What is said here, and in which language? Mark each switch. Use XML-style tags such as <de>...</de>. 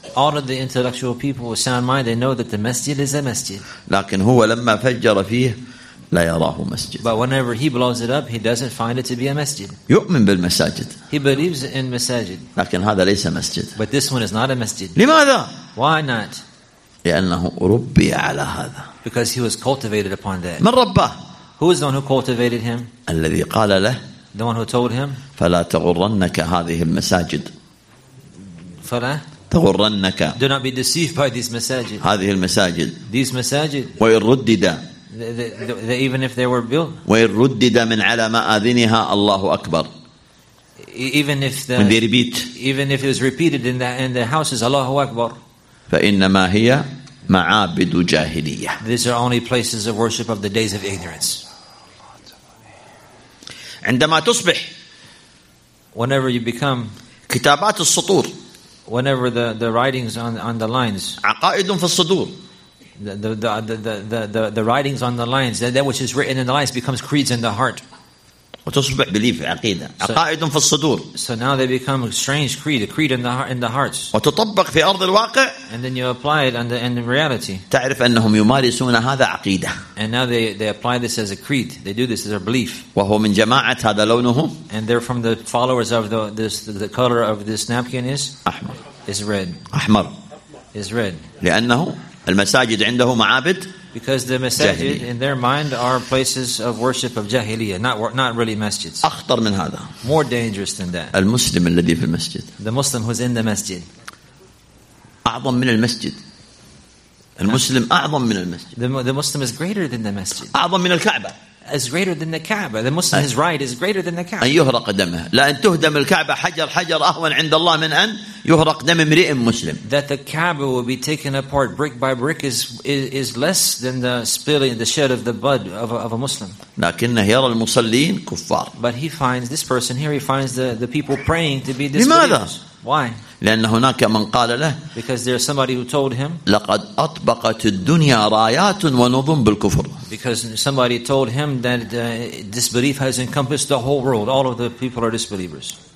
<en>All of the intellectual people with sound mind, they know that the masjid is a masjid.</en> <ar>لكن هو لما فجر فيه لا يراه مسجد.</ar> <en>But whenever he blows it up, he doesn't find it to be a masjid.</en> <ar>يؤمن بالمساجد.</ar> <en>He believes in masajid.</en> <ar>لكن هذا ليس مسجد.</ar> <en>But this one is not a masjid.</en> <ar>لماذا?</ar> <en>Why not?</en> <ar>لأنه ربي على هذا.</ar> <en>Because he was cultivated upon that.</en> <ar>من ربه?</ar> <en>Who is the one who cultivated him?</en> <ar>الذي قال له.</ar> <en>The one who told him.</en> <ar>فلا تغرنك هذه المساجد. فلا تغرنك.</ar> <en>Do not be deceived by these masajid.</en> <ar>هذه المساجد.</ar> <en>These masajid.</en> <ar>وإن ردد.</ar> <en>Even if they were built.</en> <ar>وإن ردد من على مآذنها الله أكبر.</ar> <en>Even if the. When they repeat. Even if it was repeated in the houses, Allah Akbar.</en> <ar>فإنما هي معابد جاهلية.</ar> <en>These are only places of worship of the days of ignorance.</en> <ar>عندما تصبح.</ar> <en>Whenever you become.</en> <ar>كتابات السطور.</ar> <en>Whenever the writings on the lines,</en> <ar>عقائد في الصدور,</ar> <en>the writings on the lines, that which is written in the lines becomes creeds in the heart.</en> <ar>وتصبح بليف عقيدة. عقائد في الصدور.</ar> <en>So now they become strange creed, a creed in the hearts.</en> <ar>وتطبق في أرض الواقع.</ar> <en>And then you apply it in reality.</en> <ar>تعرف أنهم يمارسون هذا عقيدة.</ar> <en>And now they apply this as a creed. They do this as a belief.</en> <ar>وهو من جماعة هذا لونه.</ar> <en>And they're from the followers of the color of this napkin is.</en> <ar>أحمر.</ar> <en>Is red.</en> <ar>أحمر.</ar> <en>Is red.</en> <ar>لأنه المساجد عنده معابد.</ar> <en>Because the masajid in their mind are places of worship of jahiliyyah, not really masjids.</en> <ar>أخطر من هذا.</ar> <en>More dangerous than that.</en> <ar>المسلم الذي في المسجد.</ar> <en>The Muslim who's in the masjid.</en> <ar>أعظم من المسجد. المسلم أعظم من المسجد.</ar> <en>The Muslim is greater than the masjid.</en> <ar>أعظم من الكعبة.</ar> <en>Is greater than the Kaaba. The Muslim his right is greater than the Kaaba.</en> <ar>أن يهرق دمه. لا أن تهدم الكعبة حجر أهون عند الله من أن يهرق دم امرئ مسلم.</ar> <en>That the Kaaba will be taken apart brick by brick is less than the spilling the shed of the blood of a Muslim.</en> <ar>لكنه يرى المصلين كفار.</ar> <en>But he finds this person here. He finds the people praying to be disbelievers. Why?</en> <ar>لأن هناك من قال له.</ar> <en>Because there's somebody who told him.</en> <ar>لقد أطبقت الدنيا رايات ونظم بالكفر.</ar> <en>Because somebody told him that disbelief has encompassed the whole world. All of the people are disbelievers.</en>